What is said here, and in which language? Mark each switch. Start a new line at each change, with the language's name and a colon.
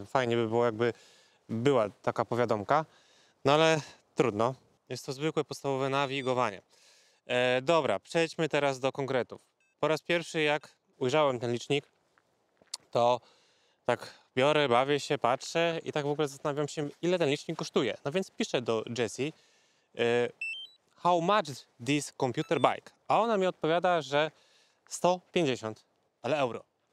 Polish: Fajnie by było, jakby była taka powiadomka. No ale trudno. Jest to zwykłe, podstawowe nawigowanie. Dobra, przejdźmy teraz do konkretów. Po raz pierwszy, jak ujrzałem ten licznik, to tak biorę, bawię się, patrzę i tak w ogóle zastanawiam się, ile ten licznik kosztuje. No więc piszę do Jessie.
English: How much this computer bike?
Polish: A ona mi odpowiada, że 150, ale euro.